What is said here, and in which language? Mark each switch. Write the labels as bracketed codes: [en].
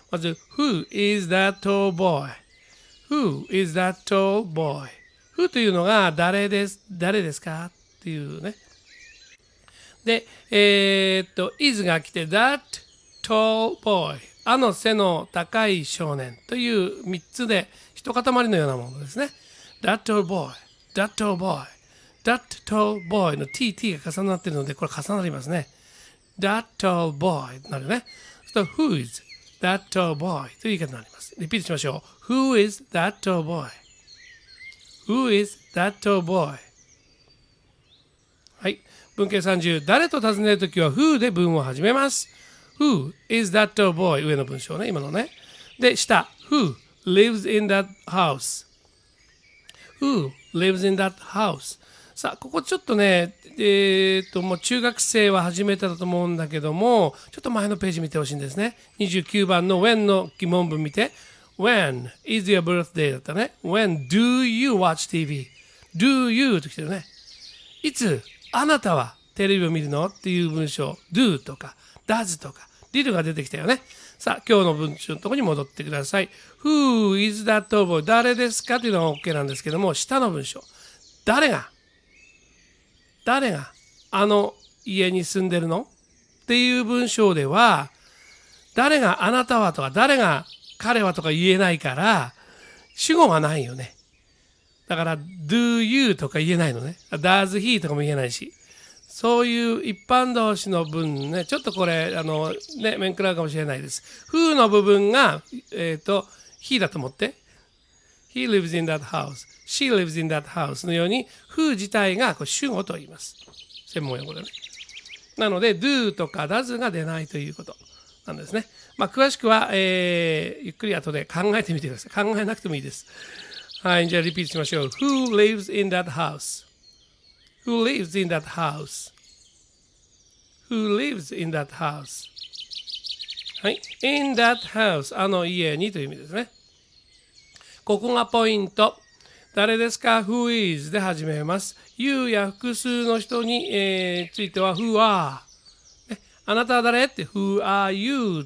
[ja] まず、 [en] Who is that tall boy? Who is that tall boy? [ja] Who というのが誰ですかっていうね。 [en] で、is が来て、that tall boy。 [ja] あの背の高い少年という三つで、一塊のようなものですね。 [en] that tall boy, that tall boy, that tall boy の tt [ja] が重なっているので、これ重なりますね。 [en] That tall boy [ja] なるね。 [en] そう、Who is that tall boy [ja] という言い方になります。リピートしましょう。 [en] Who is that tall boy? Who is that tall boy? [ja] はい。文型30。誰と尋ねるときは Who で文を始めます。 [en] Who is that tall boy? [ja] 上の文章ね、今のね。で、下。 [en] Who lives in that house? Who lives in that house? [ja] さあ、ここちょっとね、もう中学生は始めたと思うんだけども、ちょっと前のページ見てほしいんですね。 [en] 29番の When [ja] の疑問文見て、 [en] When is your birthday? [ja] だったね。 [en] When do you watch TV? Do you? [ja] ときてるね。いつ、あなたはテレビを見るの?っていう文章、Do とか、Does とか、Did が出てきたよね。さあ、今日の文章のところに戻ってください。 [en] Who is that tall boy? [ja] 誰ですか?というのが OK なんですけども、下の文章、誰があの家に住んでるのっていう文章では、誰があなたはとか誰が彼はとか言えないから主語がないよね。だから Do you とか言えないのね。Does he とかも言えないし、そういう一般動詞の文ね、ちょっとこれね、面食らうかもしれないです。 Who の部分が he だと思って、 [en] He lives in that houseShe lives in that house [ja] のように、who 自体がこう主語と言います。専門用語でね。なので、do とか does が出ないということなんですね。まあ、詳しくは、ゆっくり後で考えてみてください。考えなくてもいいです。はい、じゃあリピートしましょう。 [en] who lives in that house?who lives in that house?who lives in that house? [ja] はい。 in that house、あの家にという意味ですね。ここがポイント。誰ですか ? [en] Who is? [ja] で始めます。 You や複数の人に、については Who are?、ね、あなたは誰って [en] Who are you?